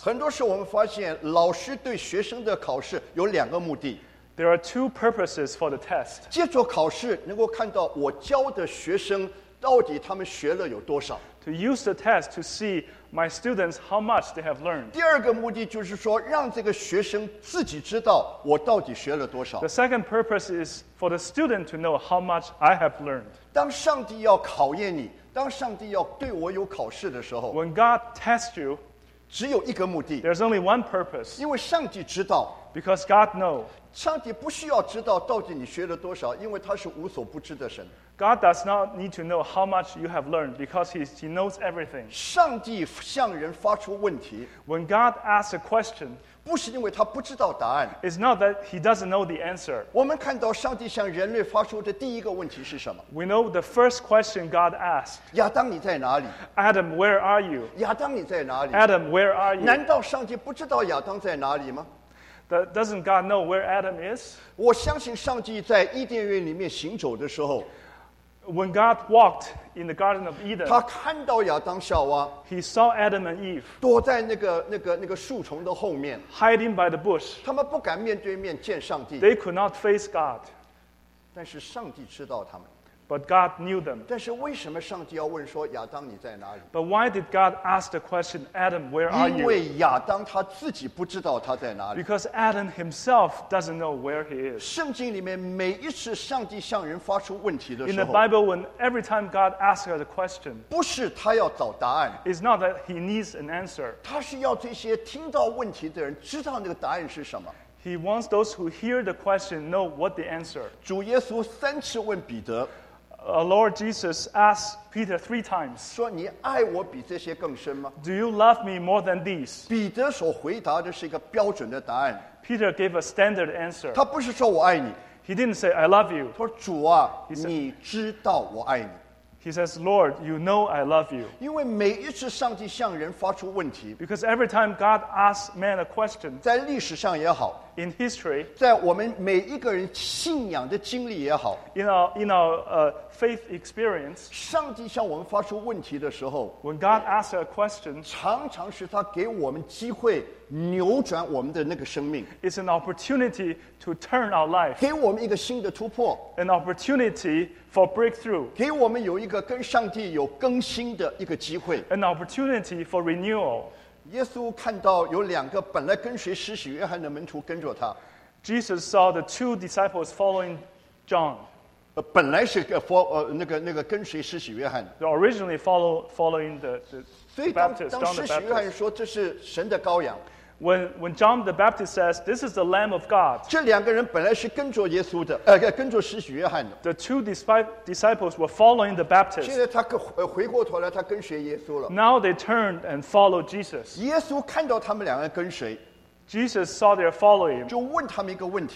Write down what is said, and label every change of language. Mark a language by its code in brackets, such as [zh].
[zh] 很多时候我们发现，老师对学生的考试有两个目的。 [en] There are two purposes for the test. [zh] 借助考试能够看到我教的学生到底他们学了有多少。 [en] To use the test to see my students how much they have learned. [zh] 第二个目的就是说，让这个学生自己知道我到底学了多少。 [en] The second purpose is for the student to know how much I have learned. [zh] 当上帝要考验你，当上帝要对我有考试的时候 [en] ，When God tests you, [zh] 只有一个目的。 [en] There's only one purpose. [zh] 因为上帝知道 [en] ，Because God knows. [zh] 上帝不需要知道到底你学了多少，因为他是无所不知的神。 [en] God does not need to know how much you have learned because he knows everything. [zh] 上帝向人发出问题 [en] When God asks a question, [zh] 不是因为他不知道答案 [en] It's not that he doesn't know the answer. [zh] 我们看到上帝向人类发出的第一个问题是什么 [en] We know the first question God asked. [zh] 亚当你在哪里 [en] Adam, where are you? [zh] 亚当你在哪里 [en] Adam, where are you? [zh] 难道上帝不知道亚当在哪里吗 [en] Doesn't God know where Adam is? [zh] 我相信上帝在伊甸园里面行走的时候 [en] When God walked in the Garden of Eden, [zh] 他看到亚当夏娃 [en] He saw Adam and Eve [zh] 躲在那个树丛的后面 [en] Hiding by the bush. [zh] 他们不敢面对面见上帝 [en] They could not face God. [zh] 但是上帝知道他们 [en] But God knew them. [zh] 但是为什么上帝要问说亚当你在哪里 [en] But why did God ask the question, Adam, where are you? [zh] 因为亚当他自己不知道他在哪里 [en] Because Adam himself doesn't know where he is. [zh] 圣经里面每一次上帝向人发出问题的时候 [en] In the Bible, when every time God asks us a question, [zh] 不是他要找答案 [en] It's not that he needs an answer. [zh] 他是要这些听到问题的人知道那个答案是什么 [en] He wants those who hear the question know what the answer. [zh] 主耶稣三次问彼得 [en] Lord Jesus asked Peter three times, [zh] 说你爱我比这些更深吗 [en] Do you love me more than these? [zh] 彼得所回答的是一个标准的答案。 [en] Peter gave a standard answer. [zh] 他不是说我爱你。 [en] He didn't say, I love you. [zh] 他说主啊 你知道我爱你。 [en] He says, Lord, you know I love you. [zh] 因为每一次上帝向人发出问题。 [en] Because every time God asks man a question, [zh] 在历史上也好。 [en] in history, [zh] 在我们每一个人信仰的经历也好, [en] in our faith experience, [zh] 上帝向我们发出问题的时候, [en] when God asks a question, [zh] 常常是他给我们机会 扭转我们的那个生命, [en] it's an opportunity to turn our life, [zh] 给我们一个新的突破, [en] an opportunity for breakthrough, [zh] 给我们有一个跟上帝有更新的一个机会, [en] an opportunity for renewal. [zh] 耶稣看到有两个本来跟随施洗约翰的门徒跟着他, [en] Jesus saw the two disciples following John. [zh] 本来是跟随施洗约翰, [en] they originally following the Baptist, John the Baptist. [zh] 施洗约翰说这是神的羔羊, [en] When John the Baptist says, this is the Lamb of God, [zh] 这两个人本来是跟着耶稣的, 跟着施洗约翰的, [en] the two disciples were following the Baptist. [zh] 现在他回过头来他跟随耶稣了, [en] now they turned and followed Jesus. [zh] 耶稣看到他们两个跟随, [en] Jesus saw their following, [zh] 就问他们一个问题,